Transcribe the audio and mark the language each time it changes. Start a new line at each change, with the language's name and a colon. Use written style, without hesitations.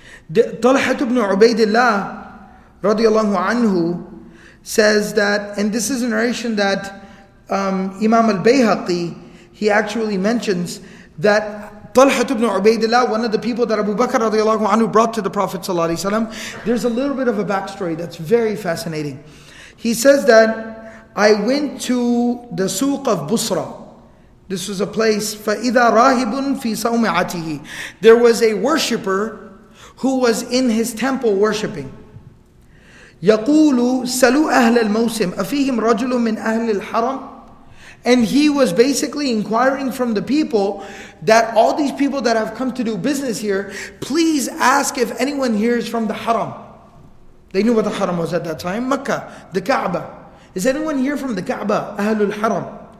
English: Talhah ibn Ubaidullah radiallahu anhu says that, and this is a narration that Imam al-Bayhaqi, he actually mentions that Talhah ibn Ubaidullah, one of the people that Abu Bakr radiallahu anhu brought to the Prophet sallallahu alaihi wasallam, there's a little bit of a backstory that's very fascinating. He says that, I went to the souq of Busra. This was a place,
Arabic: فَإِذَا رَاهِبٌ فِي سَوْمِعَتِهِ.
English: There was a worshipper who was in his temple worshipping.
Arabic: يقول سلوا أهل الموسم أفيهم رجل من أهل الحرم.
English: And he was basically inquiring from the people that all these people that have come to do business here, please ask if anyone here is from the Haram. They knew what the Haram was at that time. Mecca, the Kaaba. Is anyone here from the Kaaba, Ahlul Haram?